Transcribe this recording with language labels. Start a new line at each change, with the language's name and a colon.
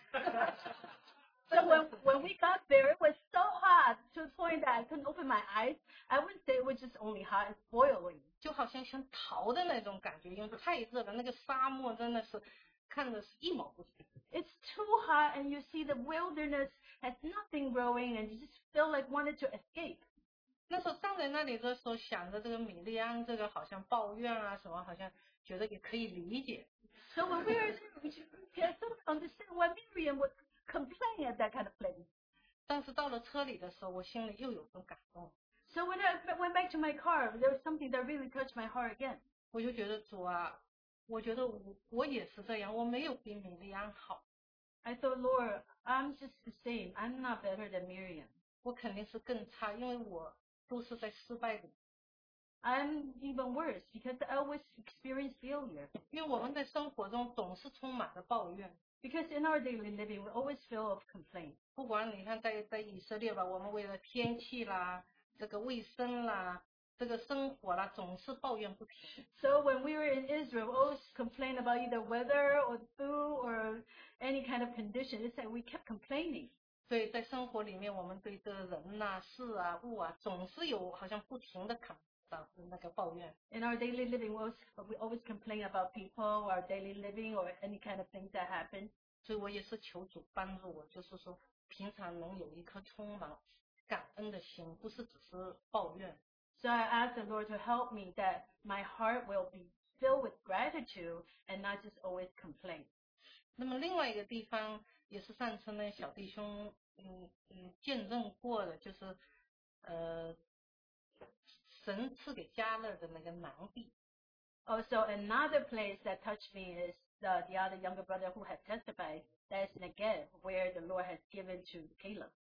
English: when we got there, it was so hot to the point that I couldn't open my eyes. I wouldn't say it was just only hot, it's boiling.
Chinese: 就好像想逃的那种感觉，因为太热了，那个沙漠真的是看着是一毛不值。
English: It's too hot, and you see the wilderness has nothing growing, and you just feel like wanted to escape.
Chinese: 那时候站在那里的时候，想着这个米利安这个好像抱怨啊什么，好像觉得也可以理解。
English: So when we are there, we sort of understand why Miriam would complain at that kind of place.
Chinese: 但是到了车里的时候，我心里又有份感动。
English: So when I went back to my car, there was something that really touched my heart again.
Chinese: 我就觉得主啊，我觉得我也是这样，我没有比米利安好。
English: I thought, Lord, I'm just the same. I'm not better than Miriam.
Chinese: 我肯定是更差，因为我。
English: I'm even worse because I always experience failure.
Chinese: 因为我们在生活中总是充满了抱怨。
English: Because in our daily living, we always feel of complaint.
Chinese: 不管你看在以色列吧, 我们为了天气啦, 这个卫生啦, 这个生活啦,
English: so when we were in Israel, we always complained about either weather or food or any kind of condition. It's like we kept complaining.
Chinese: 对,在生活里面, 我们对这人啊, 事啊, 物啊, 总是有好像不停地看到那个抱怨。
English: In our daily living, we always complain about people, our daily living, or any kind of things that happen.
Chinese: 所以我也是求主帮助我, 就是说, 平常能有一颗充满感恩的心, 不是只是抱怨。
English: So I ask the Lord to help me that my heart will be filled with gratitude and not just always complain.
Chinese: 那么另外一个地方, 也是上次那小弟兄见证过的, 就是, 神赐给加勒的那个囊地。
English: Also, another place that touched me is the other younger brother who had testified, that's Negev, where the Lord has given to Caleb.